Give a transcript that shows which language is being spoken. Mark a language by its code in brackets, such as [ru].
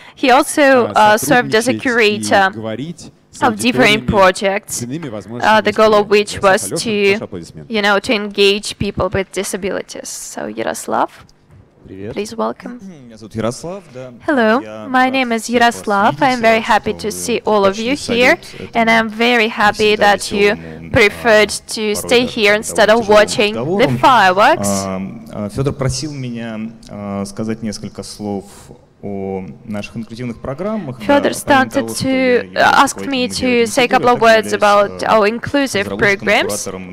[en] He also served as a curator of different projects, the goal of which was to, you know, to engage people with disabilities. So, Yaroslav. Please welcome. Hello, my name is Yaroslav. I am very happy to see all of you here, and I am very happy that you preferred to stay here instead of watching the fireworks. [ru] Федор просил меня сказать несколько слов о наших инклюзивных программах. [en] Федор started to ask me to say a couple of words about our inclusive programs.